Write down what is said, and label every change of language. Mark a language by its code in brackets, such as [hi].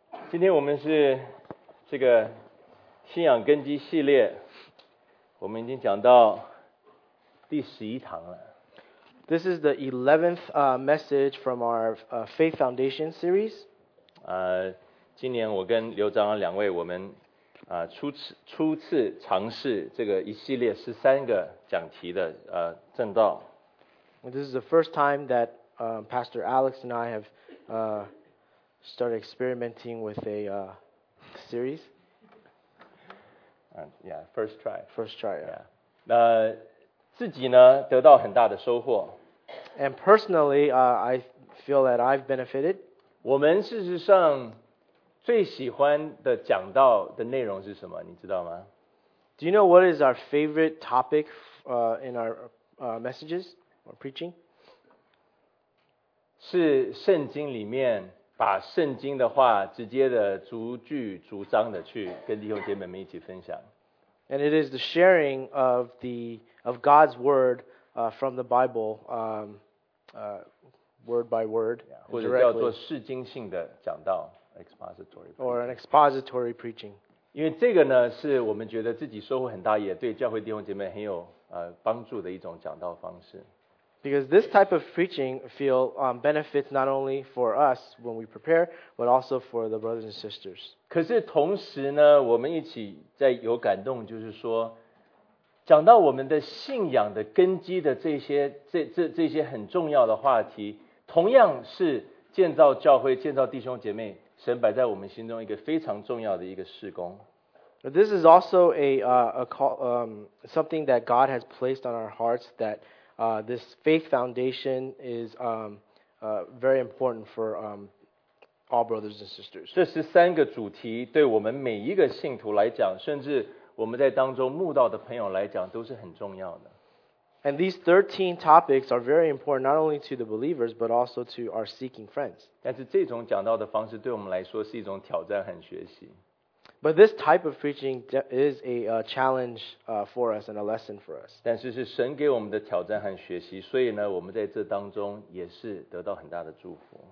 [zh] 今天我们是这个信仰根基系列，我们已经讲到第十一堂了。 [en] This is the 11th message from our Faith Foundation series. [zh] 今年我跟刘长老两位我们初次尝试这个一系列十三个讲题的正道。 [en] This is the first time that Pastor Alex and I have started experimenting with a series. First try. [zh] 那自己呢得到很大的收获。 [en] And personally, I feel that I've benefited. [zh] 我们事实上。最喜欢的讲道的内容是什么？你知道吗 [en] ？Do you know what is our favorite topic in our messages or preaching？ [zh] 是圣经里面把圣经的话直接的逐句逐章的去跟弟兄姐妹们一起分享。 [en] And it is the sharing of the of God's word from the Bible word by word， [zh] 或者叫做释经性的讲道。 [en] Expository or an expository preaching， [zh] 因为这个呢是我们觉得自己收获很大，也对教会弟兄姐妹很有帮助的一种讲道方式。 [en] Because this type of preaching feel benefits not only for us when we prepare, but also for the brothers and sisters. [zh] 可是同时呢，我们一起在有感动，就是说讲到我们的信仰的根基的这些很重要的话题，同样是建造教会、建造弟兄姐妹。神摆在我们心中一个非常重要的一个事工。 [en] This is also something that God has placed on our hearts that this faith foundation is very important for all brothers and sisters. [zh] 这十三个主题对我们每一个信徒来讲，甚至我们在当中慕道的朋友来讲，都是很重要的。 [en] And these 13 topics are very important not only to the believers but also to our seeking friends. [zh] 但是这种讲道的方式对我们来说是一种挑战和学习。 [en] But this type of preaching is a challenge for us and a lesson for us. [zh] 但是是神给我们的挑战和学习，所以呢，我们在这当中也是得到很大的祝福。